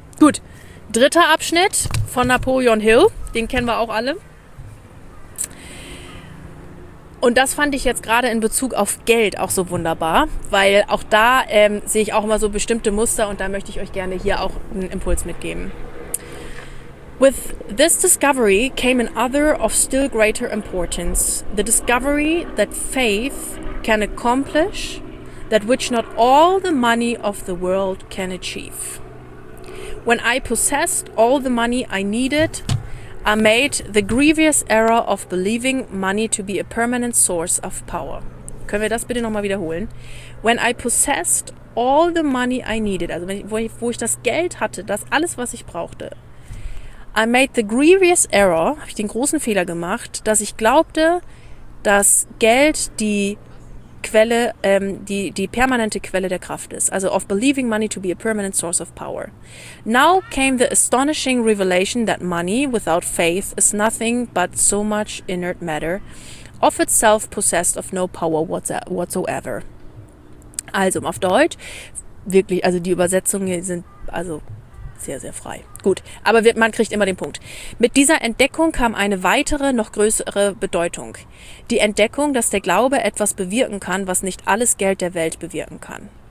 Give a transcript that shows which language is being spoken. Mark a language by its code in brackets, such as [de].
[de] Gut, dritter Abschnitt von Napoleon Hill, den kennen wir auch alle. Und das fand ich jetzt gerade in Bezug auf Geld auch so wunderbar, weil auch da sehe ich auch immer so bestimmte Muster und da möchte ich euch gerne hier auch einen Impuls mitgeben. [en] With this discovery came an other of still greater importance. The discovery that faith can accomplish that which not all the money of the world can achieve. When I possessed all the money I needed, I made the grievous error of believing money to be a permanent source of power. [de] Können wir das bitte nochmal wiederholen? [en] When I possessed all the money I needed, [de] also wo ich das Geld hatte, das alles, was ich brauchte, [en] I made the grievous error, [de] habe ich den großen Fehler gemacht, dass ich glaubte, dass Geld die Quelle, die permanente Quelle der Kraft ist. [en] Also of believing money to be a permanent source of power. Now came the astonishing revelation that money without faith is nothing but so much inert matter of itself possessed of no power whatsoever. [de] Also auf Deutsch, wirklich, also die Übersetzungen sind also sehr, sehr frei. Gut, aber man kriegt immer den Punkt. Mit dieser Entdeckung kam eine weitere, noch größere Bedeutung. Die Entdeckung, dass der Glaube etwas bewirken kann, was nicht alles Geld der Welt bewirken kann.